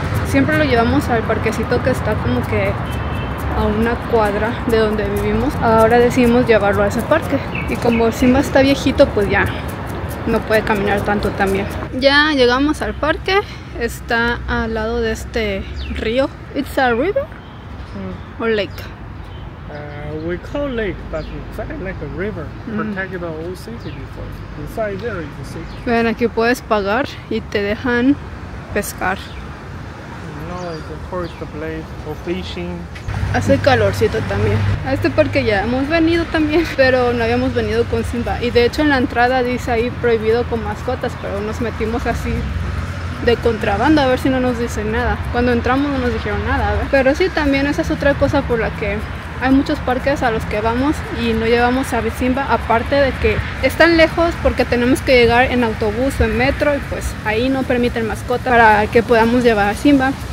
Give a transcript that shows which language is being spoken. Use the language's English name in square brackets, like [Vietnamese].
[Spanish] Siempre lo llevamos al parquecito que está como que a una cuadra de donde vivimos. Ahora decidimos llevarlo a ese parque. Y como Simba está viejito, pues ya no puede caminar tanto también. Ya llegamos al parque. Está al lado de este río. [English] ¿It's a river? [Spanish] ¿O lake? [English] We call it lake, but it's kind of like a river, protected the whole city before. Inside there is the city. [Spanish] Ven, aquí puedes pagar y te dejan pescar. [English] No, it's a tourist place for fishing. [Spanish] Hace calorcito también. A este parque ya hemos venido también, pero no habíamos venido con Simba. Y de hecho en la entrada dice ahí prohibido con mascotas, pero nos metimos así de contrabando a ver si no nos dicen nada. Cuando entramos no nos dijeron nada, ¿ver? Pero sí, también esa es otra cosa por la que hay muchos parques a los que vamos y no llevamos a Simba, aparte de que están lejos porque tenemos que llegar en autobús o en metro y pues ahí no permiten mascota para que podamos llevar a Simba.